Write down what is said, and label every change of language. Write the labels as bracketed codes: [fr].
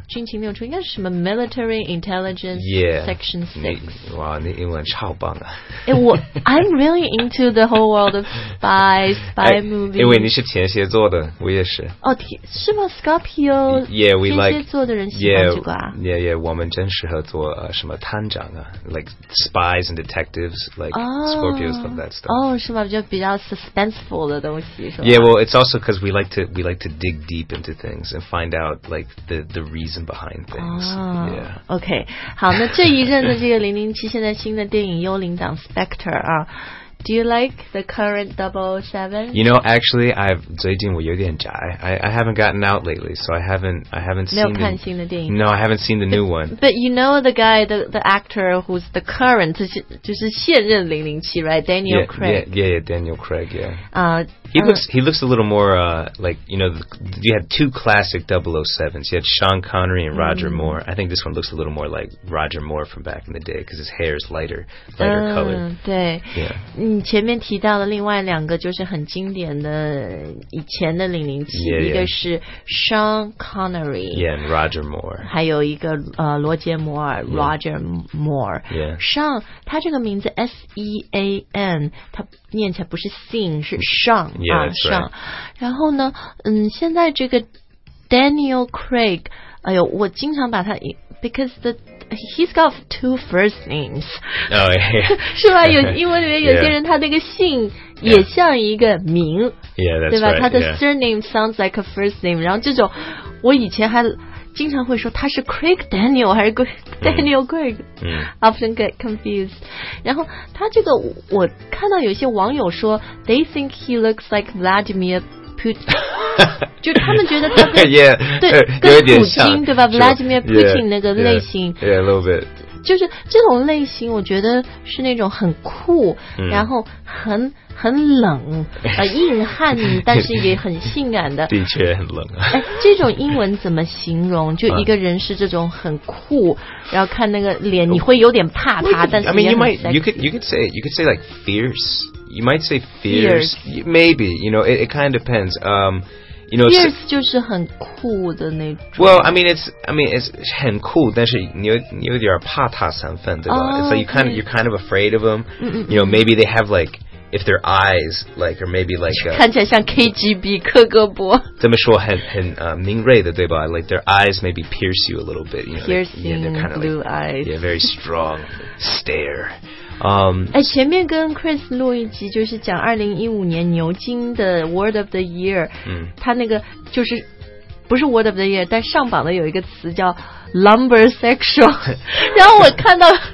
[zh] 军情六处应该是什么 [en] Military Intelligence yeah, Section 6 [zh] 哇你英文超棒啊 [en] I'm really into the whole world of spy movies [zh] 因为你是天蝎座的我也是哦，是吗 Scorpio [en] yeah, we [zh] 天蝎座的人喜欢这个啊 [en] yeah, yeah, [zh] 我们真适合做、什么探长啊 [en] like spies and detectives like、Scorpios of that stuff [zh] 哦，是吗比较 suspenseful 的东西是吗 [en] yeah well it's also because we like to dig deep into things and find out like the reason behind things、yeah. [zh] OK 好那这一任的这个007 现在新的电影幽灵党 Spectre 啊 [en] Do you like the current 007? You know, actually, I've [zh] 最近我有点宅 [en] I haven't gotten out lately, so I haven't seen [zh] 没有看新的电影 [en] No, I haven't seen the new one. But you know the guy, the actor who's the current [zh] 就是现任007 [en] right? Daniel yeah, Craig. Yeah, yeah, Daniel Craig. Yeah. He looks a little more like you know you had two classic 007s. You had Sean Connery and Roger、mm-hmm. Moore. I think this one looks a little more like Roger Moore from back in the day because his hair is lighter color. [zh] 对 [en] Yeah. [zh] 你前面提到的另外两个就是很经典的以前的007 [en] yeah, yeah. [zh] 一个是 Sean Connery [en] yeah, and Roger Moore [zh] 还有一个罗杰摩尔 Roger Moore [en] yeah. Yeah. [zh] Sean 他这个名字 S-E-A-N 他念起来不是 Sean 是 Sean, [en] yeah,、 Sean. [zh] 然后呢现在这个 Daniel Craig 哎呦我经常把他 [en] because theHe's got two first names. Oh, yeah. [zh] 是吧？有英文里面有些人他那个姓也像一个名， [en] yeah. Yeah, that's [zh] 对吧？ [en] Right, [zh] 他的 [en] surname sounds like a first name. [zh] 然后这种，我以前还经常会说他是 Craig Daniel 还是 Daniel Craig. [en] Often get confused. [zh] 然后他这个，我看到有些网友说 [en] they think he looks like Vladimir Putin. [zh] 就他们觉得他跟 [en] yeah, [zh] 对跟普京对吧 Vladimir Putin 那个类型 [en] yeah, yeah a little bit [zh] 就是这种类型，我觉得是那种很酷，然后很冷，硬汉，但是也很性感的。的确很冷啊。哎，这种英文怎么形容？就一个人是这种很酷，然后看那个脸，你会有点怕他，但是也很 [en] sexy。 I mean, you could say like fierce. You might say fierce. Maybe, you know, it kind of depends. You know, [zh] fierce 就是很酷的那种。 [en] Well, I mean it's [zh] 很酷，但是你有点怕他三分，对吧？ [en] Oh, it's like you're kind of afraid of them. Mm-hmm. You know, maybe they have like if their eyes like or maybe like [zh] 看起来像 KGB 克格勃。这么说很敏锐的，对吧？ [en] Like their eyes maybe pierce you a little bit. You know, piercing like, yeah, blue like, eyes. Yeah, very strong stare. [zh] 哎，前面跟 Chris 录一集，就是讲2015年牛津的 Word of the Year， 他那个就是不是 Word of the Year， 但上榜的有一个词叫 Lumbersexual， 然后我看到